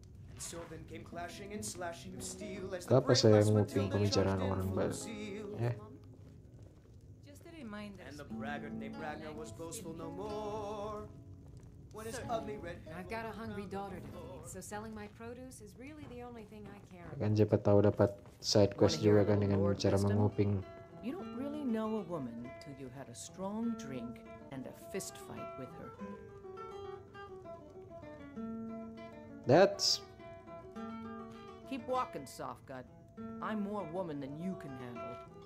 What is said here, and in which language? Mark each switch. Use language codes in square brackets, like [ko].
[en] And so then came clashing and slashing of steel as the brave was Matilda charged in full seal. Just a reminder. And the braggart named Ragnar was boastful no more. When his ugly red head. I've got a hungry daughter to feed, so selling my produce is really the only thing I care about. [id] Kan cepat tahu dapat side quest juga kan dengan cara menguping. [en] You don't really know a woman till you had a strong drink and a fist fight with her. That's. Keep walking, Softgut. I'm more woman than you can handle.